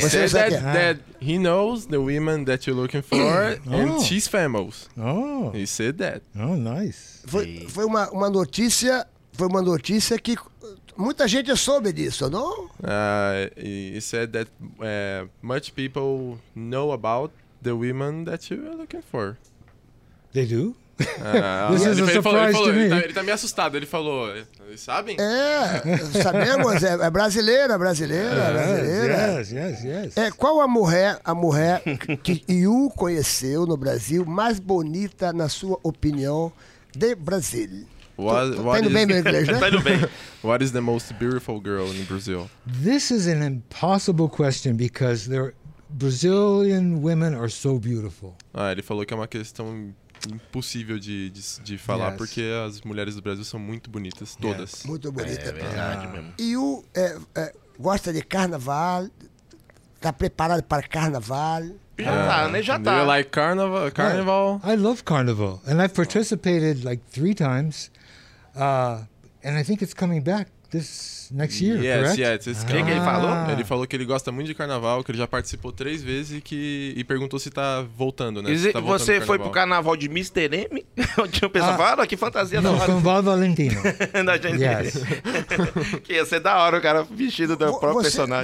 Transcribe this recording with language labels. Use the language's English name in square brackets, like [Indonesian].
[English] Você said sabe that, that he knows the woman that you're looking for and she's famous. Oh. He said that. Oh, nice. [Portuguese] Foi uma notícia. Foi uma notícia que muita gente soube disso, não? [English] He said that much people know about the women that you are looking for. They do? This is a surprise to me. [Portuguese] Ele tá meio assustado. Ele falou, eles sabem? Sabemos. É brasileira. [English] Yes. [Portuguese] Qual a mulher que Yu conheceu no Brasil mais bonita, na sua opinião, de Brasil? [English] What is the most beautiful girl in Brazil? This is an impossible question because there are Brazilian women are so beautiful. [Portuguese] Ele falou que é uma questão impossível de falar, porque as mulheres do Brasil são muito bonitas, todas. Muito bonita. É verdade mesmo. E o gosta de carnaval? Tá preparado para carnaval? Já tá. [English] You like carnival? Yeah, I love carnival. And I've participated like 3 times. And I think it's coming back this next year, correct? Yes. [Portuguese] Que ele falou? Ele falou que ele gosta muito de carnaval, que ele já participou 3 vezes e perguntou se tá voltando, né? Você foi pro carnaval de Mr. M? Onde o pessoal fala, que fantasia não, da hora. Não, Val Valentino. Da gente. [English] Yes. [Portuguese] Que ia ser da hora o cara vestido do próprio personagem.